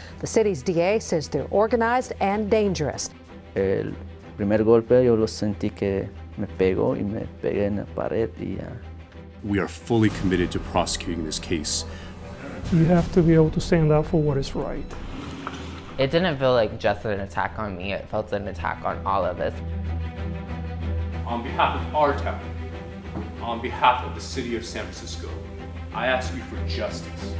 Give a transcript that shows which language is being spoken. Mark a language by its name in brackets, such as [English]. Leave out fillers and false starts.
[English] The city's DA says they're organized and dangerous. [Spanish] El primer golpe yo lo sentí que me pegó y me pegué en la pared y ya. [English] We are fully committed to prosecuting this case. You have to be able to stand up for what is right. It didn't feel like just an attack on me. It felt an attack on all of us. On behalf of our town, on behalf of the city of San Francisco, I ask you for justice.